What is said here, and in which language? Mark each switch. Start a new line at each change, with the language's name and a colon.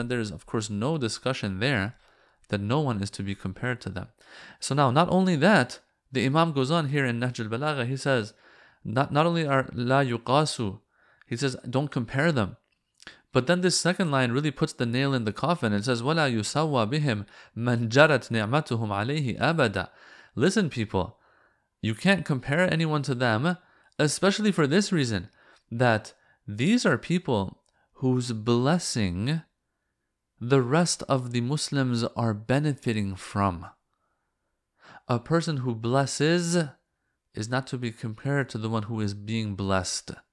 English: Then there is, of course, no discussion there that no one is to be compared to them. So now, not only that, the imam goes on here in Nahj al-Balagha, he says, not only are la yuqasu, he says, don't compare them. But then this second line really puts the nail in the coffin. It says,
Arabic: وَلَا يُسَوَّى بِهِمْ مَنْ جَرَتْ نِعْمَتُهُمْ عَلَيْهِ أَبَدًا.
English: Listen, people, you can't compare anyone to them, especially for this reason, that these are people whose blessing the rest of the Muslims are benefiting from. A person who blesses is not to be compared to the one who is being blessed.